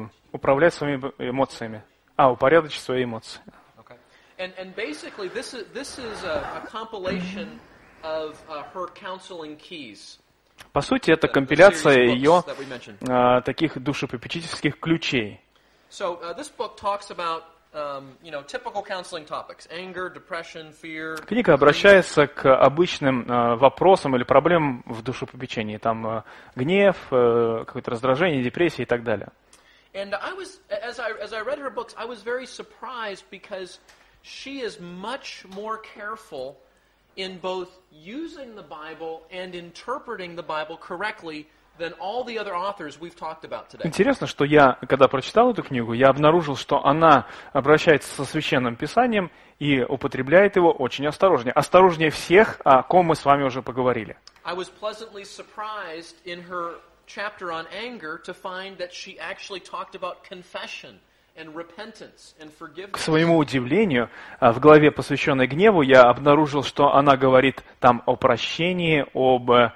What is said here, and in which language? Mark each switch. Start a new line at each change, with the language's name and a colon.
Russian: управлять своими эмоциями. А, упорядочить свои эмоции.
English: Okay. And basically this is a compilation of her counseling keys.
Russian: По сути, это компиляция ее таких душепопечительских ключей.
English: So this book talks about you know, typical counseling topics: anger, depression, fear.
Russian: Книга обращается к обычным вопросам или проблемам в душепопечении, там гнев, какое-то раздражение, депрессия и так далее.
English: And I was, as I read her books, I was very surprised because she is much more careful in both using the Bible and interpreting the Bible correctly than all the other authors we've talked about today.
Russian: Интересно, что я, когда прочитал эту книгу, я обнаружил, что она обращается со Священным Писанием и употребляет его очень осторожнее. Осторожнее всех, о ком мы с вами уже поговорили.
English: I was pleasantly surprised in her chapter on anger to find that she actually talked about confession and repentance and forgiveness.
Russian: К своему удивлению, в главе, посвященной гневу, я обнаружил, что она говорит там о прощении, об...